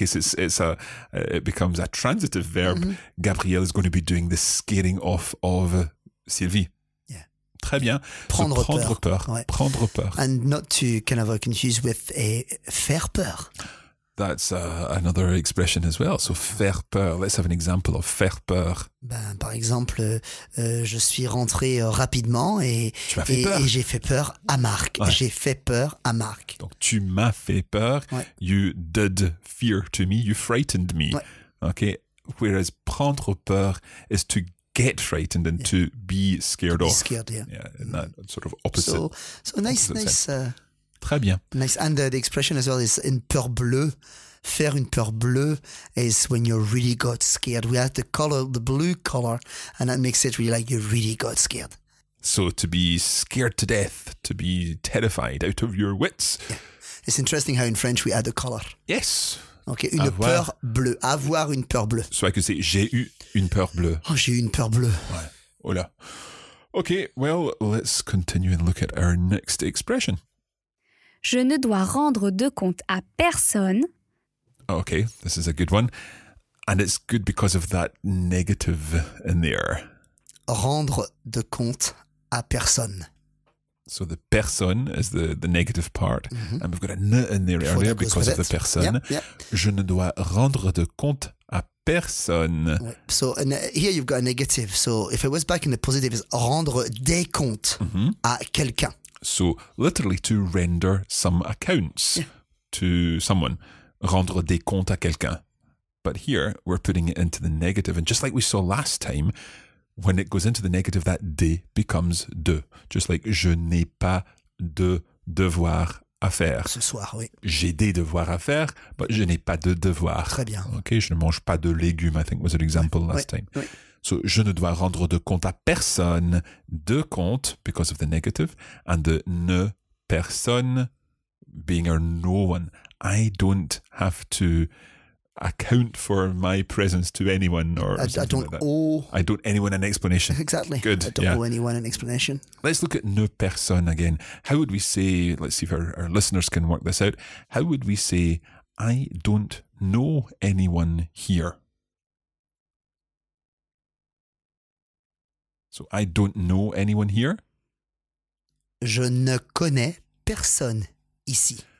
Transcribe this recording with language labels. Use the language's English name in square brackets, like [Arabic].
[English] So in that case, it becomes a transitive verb. Mm-hmm. Gabrielle is going to be doing the scaring off of Sylvie. [French] Très bien. [English] Prendre peur. And not to kind of confuse with faire peur. That's another expression as well. So faire peur. Let's have an example of faire peur. [French] Ben, par exemple, je suis rentré rapidement et j'ai fait peur à Marc. Ouais. J'ai fait peur à Marc. Donc tu m'as fait peur. Ouais. [English] You did fear to me. You frightened me. [French] Ouais. [English] Okay. Whereas prendre peur is to get frightened and to be scared off. Scared, yeah. Yeah, in that sort of opposite. So nice. [French] Très bien. [English] Nice. And the expression as well is une peur bleue. [French] Faire une peur bleue [English] is when you really got scared. We have the color, the blue color, and that makes it really like you really got scared. So to be scared to death, to be terrified out of your wits. Yeah. It's interesting how in French we add the color. Yes. [French] Okay, une peur bleue. Avoir une peur bleue. [English] So I could say, [French] j'ai eu une peur bleue. Oh, j'ai eu une peur bleue. Ouais. Oh là. [English] Okay, well, let's continue and look at our next expression. [French] Je ne dois rendre de compte à personne. [English] Okay, this is a good one. And it's good because of that negative in there. Rendre de compte à personne. So the personne is the negative part. Mm-hmm. And we've got a ne in there earlier because of the personne. Yeah, yeah. [French] Je ne dois rendre de compte à personne. [English] Right. So here you've got a negative. So if it was back in the positive, it's [French] rendre des comptes à quelqu'un. [English] So literally to render some accounts to someone, [French] rendre des comptes à quelqu'un. [English] But here we're putting it into the negative. And just like we saw last time, when it goes into the negative, that de becomes de. Just like [French] je n'ai pas de devoir à faire. Ce soir, oui. J'ai des devoirs à faire, [English] but [French] je n'ai pas de devoir. Très bien. [English] Okay, [French] je ne mange pas de légumes, [English] I think was an example last time. [French] Oui. [English] So [French] je ne dois rendre de compte à personne, [English] de compte, because of the negative, and the ne personne being a no one. I don't have to account for my presence to anyone or I don't anyone an explanation. Exactly. Good. I don't owe anyone an explanation. Let's look at ne personne again. How would we say, let's see if our listeners can work this out. How would we say, I don't know anyone here? So I don't know anyone here. [French] Je ne connais personne ici.